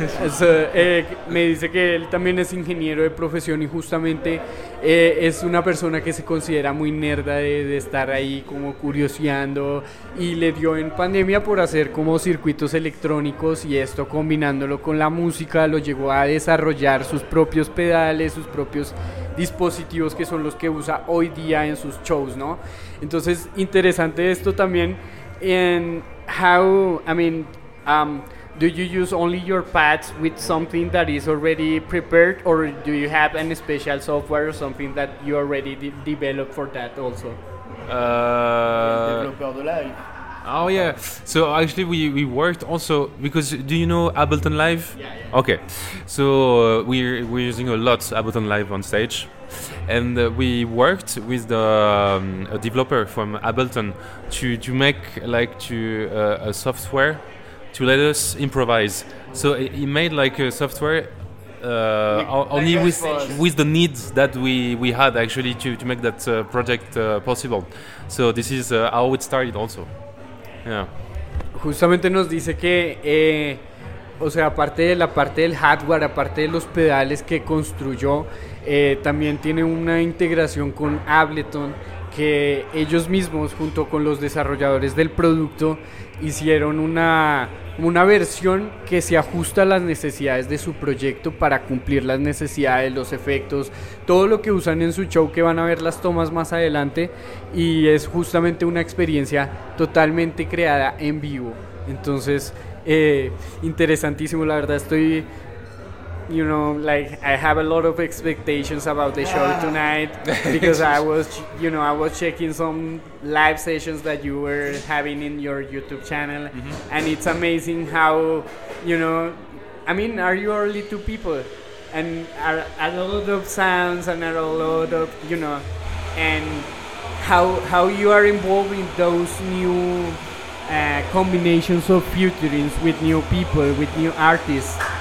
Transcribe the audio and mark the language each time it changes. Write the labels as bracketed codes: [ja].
[es] So, me dice que él también es ingeniero de profesión y justamente es una persona que se considera muy nerda de estar ahí como curioseando, y le dio en pandemia por hacer como circuitos electrónicos, y esto combinándolo con la música lo llevó a desarrollar sus propios pedales, sus propios dispositivos que son los que usa hoy día en sus shows, ¿no? Entonces, interesante esto también. [en] And how, I mean, do you use only your pads with something that is already prepared, or do you have any special software or something that you already developed for that also? Developer de live. Oh yeah. So actually we worked also, because do you know Ableton Live? Yeah. Okay. So we're using a lot Ableton Live on stage. And we worked with the a developer from Ableton to make like a software to let us improvise. So he made like a software only with the needs that we had actually to make that project possible. So this is how it started also. [es] Justamente nos dice que, o sea, aparte de la parte del hardware, aparte de los pedales que construyó, también tiene una integración con Ableton, que ellos mismos, junto con los desarrolladores del producto, hicieron una versión que se ajusta a las necesidades de su proyecto para cumplir las necesidades, los efectos, todo lo que usan en su show, que van a ver las tomas más adelante, y es justamente una experiencia totalmente creada en vivo. Entonces, interesantísimo, la verdad estoy, [en] you know, like I have a lot of expectations about the show tonight, because I was checking some live sessions that you were having in your YouTube channel, and it's amazing how, you know, I mean, are you only two people, and are a lot of sounds and are a lot of, you know, and how you are involved in those new combinations of futurings with new people, with new artists.